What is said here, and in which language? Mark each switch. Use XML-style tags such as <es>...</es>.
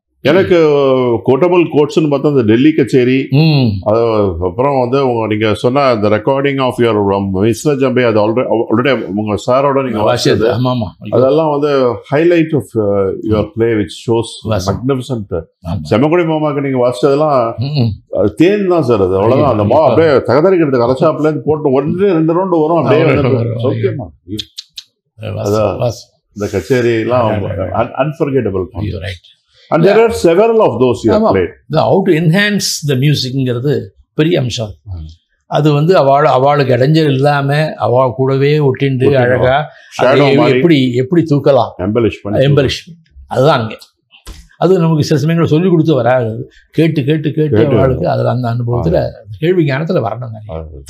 <ta>எனக்கு கோட்டபிள் கோட்ஸ்னு பார்த்தா இந்த டெல்லி கச்சேரி, அது அப்புறம் வந்து உங்க நீங்க சொன்ன இந்த ரெக்கார்டிங் ஆஃப் யுவர் மிஸ்டர் ஜம்பே, அது ஆல்ரெடி உங்க சாரோட நீங்க வாசிச்சது, அதெல்லாம் வந்து</ta> <en>Highlight of your play which shows magnificent.</en> <ta>செம்மகுடி மாமாக்கு நீங்க வாசிச்சதெல்லாம் தேன் தான் சார், அது அவ்வளவுதான். அந்த மா அப்படியே தகதறிக்கிறது கரைச்சாப்ல இருந்து போட்டு ஒன்று ரெண்டு ரவுண்டு வரும் அப்படியே. இந்த கச்சேரி எல்லாம் unforgettable.</ta> <en>And there are several of those you have played. How to enhance the music</en> <ta>ங்கிறது பெரிய அம்சம். அது வந்து அவள் அவளுக்கு இடைஞ்சல் இல்லாம அவ கூடவே ஒட்டிண்டு அழகா எப்படி எப்படி தூக்கலாம், எம்பலிஷ்மெண்ட் அதுதான் அங்கே. அது நமக்கு சில சமயங்கள் சொல்லி கொடுத்து வராது, கேட்டு கேட்டு கேட்டு அவளுக்கு அதில் அந்த அனுபவத்தில் கேள்வி ஞானத்தில் வரணும் நிறைய.</ta>